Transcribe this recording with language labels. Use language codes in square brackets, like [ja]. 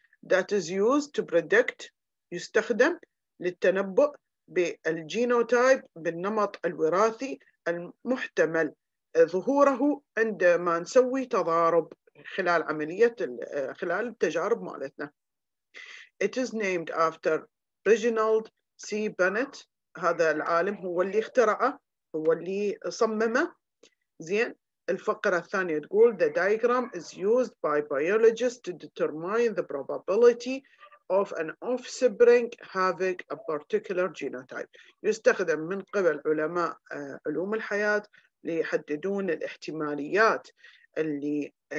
[en] that is used to predict، [ar] يستخدم للتنبؤ بالجينوتايب بالنمط الوراثي المحتمل ظهوره عندما نسوي تضارب خلال عملية خلال التجارب مالتنا. [en] it is named after Reginald C. [ar] Bennett، هذا العالم هو اللي اخترعه، هو اللي صممه. زين الفقرة الثانية تقول [en] the diagram is used by biologists to determine the probability of an offspring having a particular genotype، [ar] يستخدم من قبل علماء علوم الحياة ليحددون الاحتماليات اللي